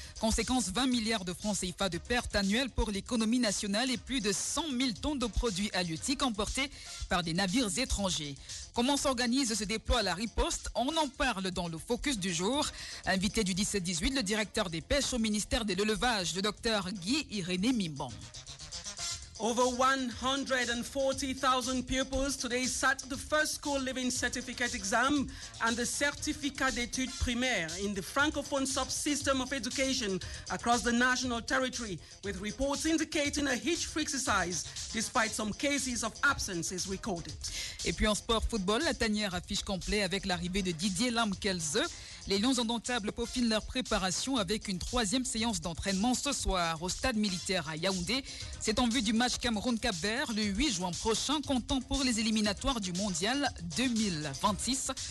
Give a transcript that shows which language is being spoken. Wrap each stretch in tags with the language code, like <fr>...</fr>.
<fr>Conséquence, 20 milliards de francs CFA de pertes annuelles pour l'économie nationale et plus de 100 000 tonnes de produits halieutiques emportés par des navires étrangers. Comment s'organise ce déploi à la riposte? On en parle dans le focus du jour. Invité du 17-18, le directeur des pêches au ministère de l'élevage, le docteur Guy-Irénée Mimban.</fr> <en>Over 140,000 pupils today sat the first school leaving certificate exam and the certificat d'études primaires in the francophone subsystem of education across the national territory, with reports indicating a huge exercise despite some cases of absences recorded.</en> <fr>Et puis en sport football, la tanière affiche complet avec l'arrivée de Didier Lamkelze. Les Lions indomptables peaufinent leur préparation avec une troisième séance d'entraînement ce soir au stade militaire à Yaoundé. C'est en vue du match Cameroun-Cap-Vert le 8 juin prochain, comptant pour les éliminatoires du Mondial 2026.</fr>